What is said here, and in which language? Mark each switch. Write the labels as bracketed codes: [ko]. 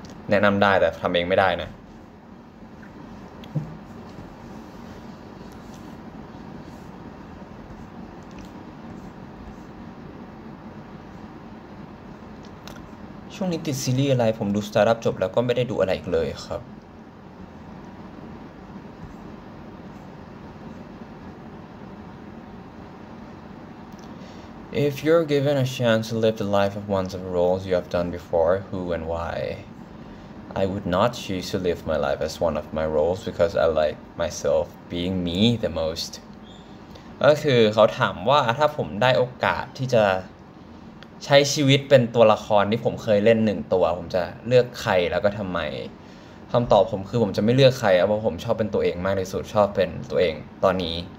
[th] แนะนำได้แต่ทำเองไม่ได้นะช่วงนี้ติดซีรีส์อะไรผมดูสตาร์ทอัพจบแล้วก็ไม่ได้ดูอะไรอีกเลยครับ [en] If you're given a chance to live the life of one of the roles you have done before, who and why? I would not choose to live my life as one of my roles because I like myself being me the most. [th] ก็คือเขาถามว่าถ้าผมได้โอกาสที่จะใช้ชีวิตเป็นตัวละครที่ผมเคยเล่นหนึ่งตัวผมจะเลือกใครแล้วก็ทำไมคำตอบผมคือผมจะไม่เลือกใครเพราะผมชอบเป็นตัวเองมากที่สุดชอบเป็นตัวเองตอนนี้